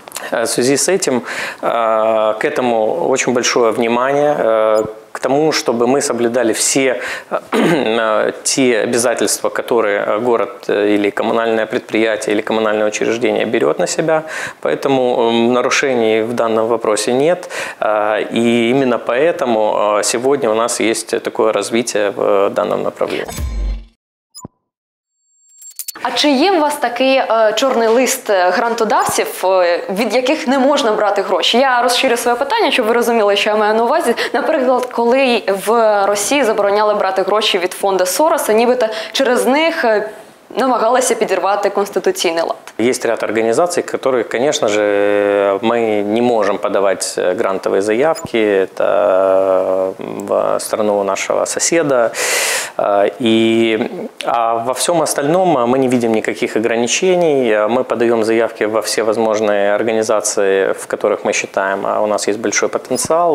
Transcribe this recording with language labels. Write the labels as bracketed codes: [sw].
[ru] В связи с этим, к этому очень большое внимание, к тому, чтобы мы соблюдали все те обязательства, которые город или коммунальное предприятие или коммунальное учреждение берет на себя. Поэтому нарушений в данном вопросе нет. И именно поэтому сегодня у нас есть такое развитие в данном направлении. [uk] А чи є у вас такий чорний лист грантодавців, від яких не можна брати гроші? Я розширю своє питання, щоб ви розуміли, що я маю на увазі. Наприклад, коли в Росії забороняли брати гроші від фонду Сороса, нібито через них намагалися підірвати конституційний лад. Є ряд організацій, які, звісно ж, ми не можемо подавати грантові заявки. Це в країну нашого сусіда. [ru] А во всем остальном мы не видим никаких ограничений. Мы подаем заявки во все возможные организации, в которых мы считаем, а у нас есть большой потенциал.